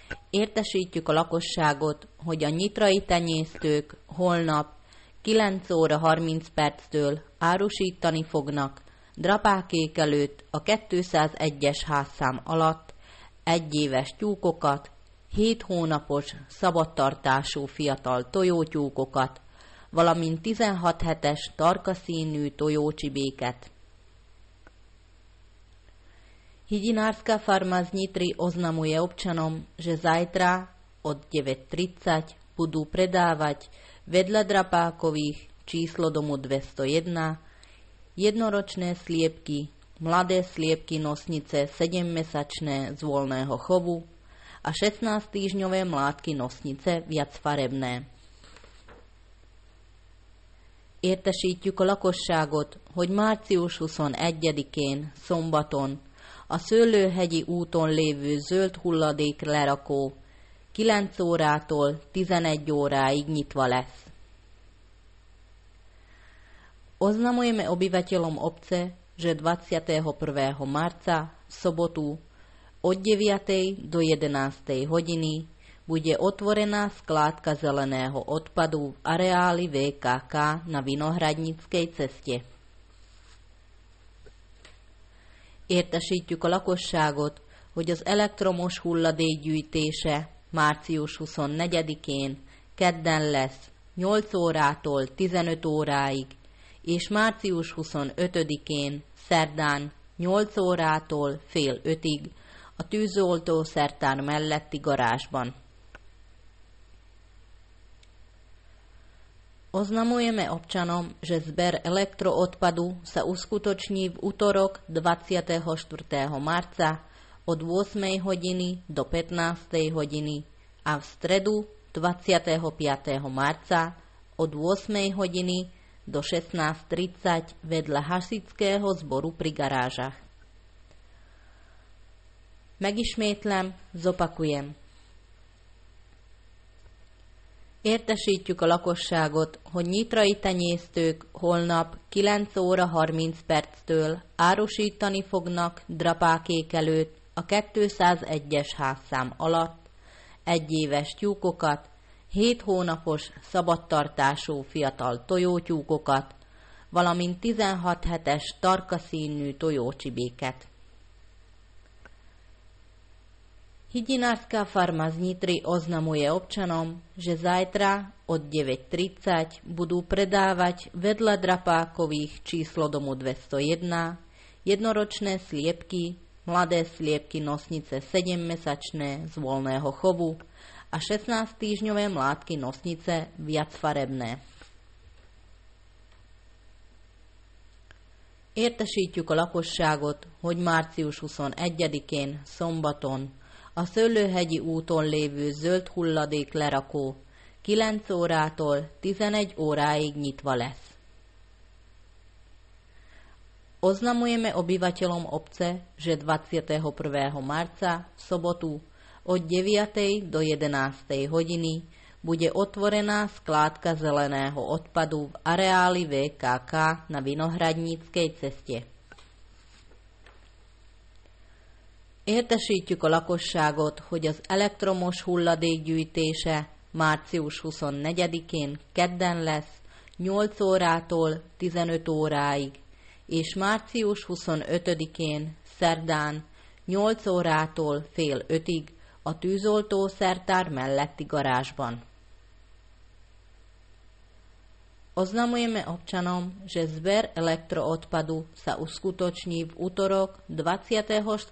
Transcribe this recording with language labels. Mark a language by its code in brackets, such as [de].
[hu] Értesítjük a lakosságot, hogy a nyitrai tenyésztők holnap 9 óra 30 perctől árusítani fognak drapákék előtt a 201-es házszám alatt egyéves tyúkokat, 7 hónapos szabadtartású fiatal tojótyúkokat, valamint 16 hetes tarkaszínű tojócsibéket. [sk] Higinárska farmaz nyitri oznamuje občanom, že zajtra od 9.30 budú predávať vedľa drapákových číslo domu 201 jednoročné sliepky, mladé sliepky nosnice 7-mesačné z voľného chovu a 16-týždňové mládky nosnice viacfarebné. [hu] Értesítjük a lakosságot, hogy március 21-én szombaton a Szőlőhegyi úton lévő zöld hulladék lerakó 9 órától 11 óráig nyitva lesz. [sk] Oznamujeme obyvateľom obce, že 21. marca v sobotu od 9. do 11. hodiny bude otvorená skládka zeleného odpadu v areáli VKK na Vinohradníckej ceste. [hu] Értesítjük a lakosságot, hogy az elektromos hulladék gyűjtése március 24-én kedden lesz 8 órától 15 óráig, és március 25-én szerdán 8 órától fél 5-ig a tűzoltószertár melletti garázsban. [sk] Oznamujeme občanom, že zber elektroodpadu sa uskutoční v útorok 24. marca od 8. hodiny do 15. hodiny a v stredu 25. marca od 8. hodiny do 16.30 vedľa hasičského zboru pri garážach. [hu] Megismétlem, [sk] zopakujem. [hu] Értesítjük a lakosságot, hogy nyitrai tenyésztők holnap 9 óra 30 perctől árusítani fognak drapákék előtt a 201-es házszám alatt egyéves tyúkokat, 7 hónapos szabadtartású fiatal tojótyúkokat, valamint 16 hetes tarkaszínű tojócsibéket. [sk] Higinárska farmaz nyitri oznamuje občanom, že zajtra od 9.30 budú predávať vedľa drapákových číslo domu 201 jednoročné sliepky, mladé sliepky nosnice 7-mesačné z voľného chovu a 16-týždňové mládky nosnice viacfarebné. [hu] Értesítjük a lakosságot, hogy március 21-én szombaton a Szőlőhegyi úton lévő zöld hulladék lerakó 9 órától 11 óráig nyitva lesz. [sk] Oznamujeme obyvateľom obce, že 21. marca v sobotu od 9. do 11. hodiny bude otvorená skládka zeleného odpadu v areáli VKK na Vinohradníckej ceste. [hu] Értesítjük a lakosságot, hogy az elektromos hulladék gyűjtése március 24-én kedden lesz 8 órától 15 óráig, és március 25-én szerdán 8 órától fél 5-ig a tűzoltószertár melletti garázsban. [sk] Oznamujeme občanom, že zber elektroodpadu sa uskutoční v útorok 24.